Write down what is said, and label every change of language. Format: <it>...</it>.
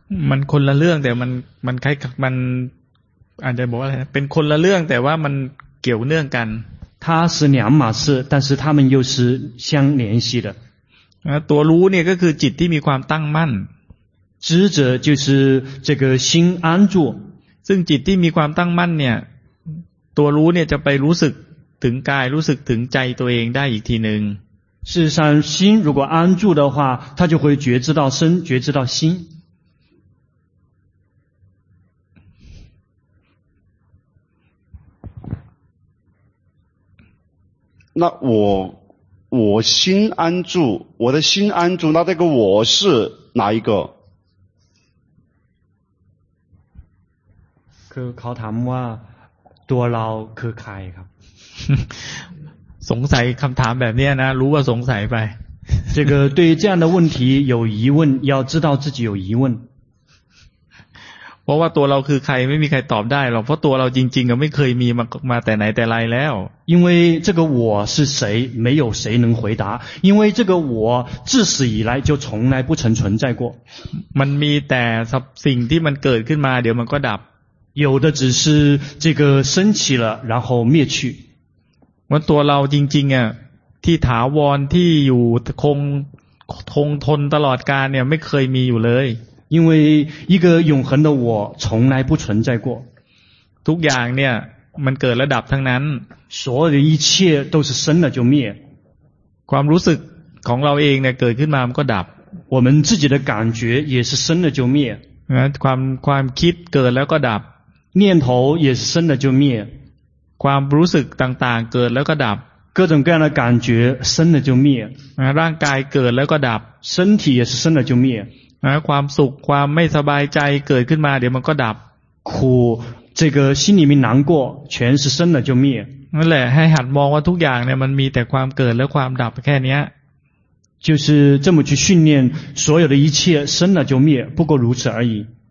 <th>มันคนละเรื่องแต่มันคล้ายกับมันอาจจะบอกว่าอะไรเป็นคนละเรื่องแต่ว่ามันเกี่ยวเนื่องกัน</th> <zh>它是两码事但是它们又是相联系的</zh> <th>ตัวรู้เนี่ยก็คือจิตที่มีความตั้งมั่น</th> <zh>知者就是这个心安住</zh> <th>ซึ่งจิตที่มีความตั้งมั่นเนี่ยตัวรู้เนี่ยจะไปรู้สึกถึงกายรู้สึกถึงใจตัวเองได้อีกทีนึง</th> <zh>事实上心如果安住的话它就会觉知到身觉知到心那我心安住我的心安住那这个我是哪一个</zh> <th>คือเขาถามว่าตัวเราคือใครครับ สงสัยคำถามแบบนี้นะรู้ว่าสงสัยไป</th> <zh>这个对于这样的问题有疑问要知道自己有疑问</zh> <th>เพราะว่าตัวเราคือใครไม่มีใครตอบได้หรอกเพราะตัวเราจริงๆก็ไม่เคยมีมาแต่ไหนแต่ไรแล้ว</th> <zh>因为这个我是谁没有谁能回答因为这个我自始以来就从来不曾存在过</zh> <th>มันมีแต่สิ่งที่มันเกิดขึ้นมาเดี๋ยวมันก็ดับ</th> <zh>有的只是这个升起了然后灭去</zh> <th>ว่าตัวเราจริงๆอ่ะที่ถาวรที่อยู่คงทนตลอดกาลเนี่ยไม่เคยมีอยู่เลย</th> <zh>因为一个永恒的我从来不存在过</zh> <th>ทุกอย่างเนี่ยมันเกิดและดับทั้งนั้น</th> <zh>所有的一切都是生了就灭</zh> <th>ความรู้สึกของเราเองเนี่ยเกิดขึ้นมามันก็ดับ</th> <zh>我们自己的感觉也是生了就灭</zh> <th>ความคิดเกิดแล้วก็ดับ</th> <zh>念头也是生了就灭</zh> <th>ความรู้สึกต่างๆเกิดแล้วก็ดับ</th> <zh>各种各样的感觉生了就灭</zh> <th>ร่างกายเกิดแล้วก็ดับ</th> <zh>身体也是生了就灭</zh> <th>ความสุขความไม่สบายใจเกิดขึ้นมาเดี๋ยวมันก็ดับ</th> <zh>苦这个心里面难过全是生了就灭</zh> <th>นั่นแหละให้หัดมองว่าทุกอย่างเนี่ยมันมีแต่ความเกิดและความดับแค่นี้</th> <zh>就是这么去训练所有的一切生了就灭不过如此而已</zh>